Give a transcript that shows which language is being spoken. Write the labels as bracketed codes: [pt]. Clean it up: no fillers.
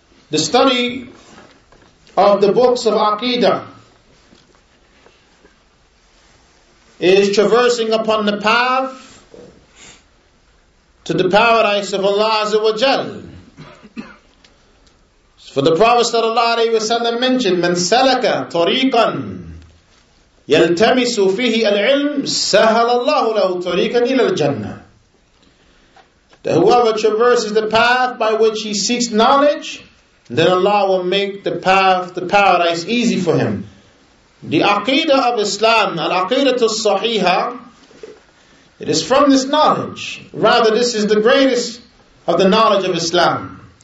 [en] The study of the books of Aqidah is traversing upon the path to the paradise of Allah Azza wa Jal. For the Prophet sallallahu alayhi wa sallam mentioned, [ar] من سلك طريقا يلتمس فيه العلم سهل الله له طريقا إلى الجنة. [en] That whoever traverses the path by which he seeks knowledge, then Allah will make the path to paradise easy for him. The Aqidah of Islam, Al-Aqidah al-Sahiha, it is from this knowledge. Rather, this is the greatest of the knowledge of Islam.